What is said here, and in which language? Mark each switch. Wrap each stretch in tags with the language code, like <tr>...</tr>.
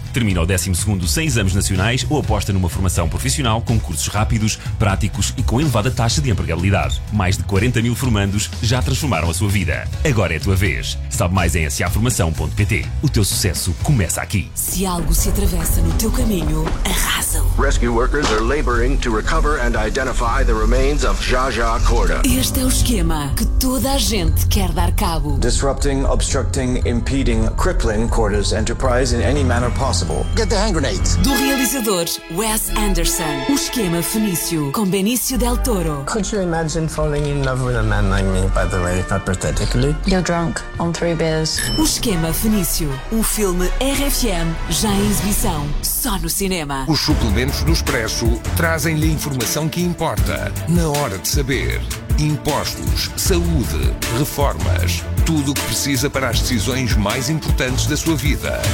<pt>Termina o 12º sem exames nacionais ou aposta numa formação profissional com cursos rápidos, práticos e com elevada taxa de empregabilidade. Mais de 40 mil formandos já transformaram a sua vida. Agora é a tua vez. Sabe mais em saformação.pt. O teu sucesso começa aqui. Se algo se atravessa no teu caminho, arrasa-o.</pt> <en>Rescue workers are laboring to recover and identify the remains of Zsa Zsa Korda.</en> <pt>Este é o esquema que toda a gente quer dar cabo.</pt> <en>Disrupting, obstructing, impeding, crippling Korda's enterprise in any manner possible. Get the hand grenades.</en> <pt>Do realizador Wes Anderson. O esquema Fenício, com Benicio Del Toro.</pt> <en>Could you imagine falling in love with a man like me, by the way, hypothetically? You're drunk on 3 beers.</en> <pt>O esquema Fenício. Um filme RFM já em exibição. Só no cinema. Os suplementos do Expresso trazem-lhe a informação que importa. Na hora de saber. Impostos, saúde, reformas, tudo o que precisa para as decisões mais importantes da sua vida.</pt>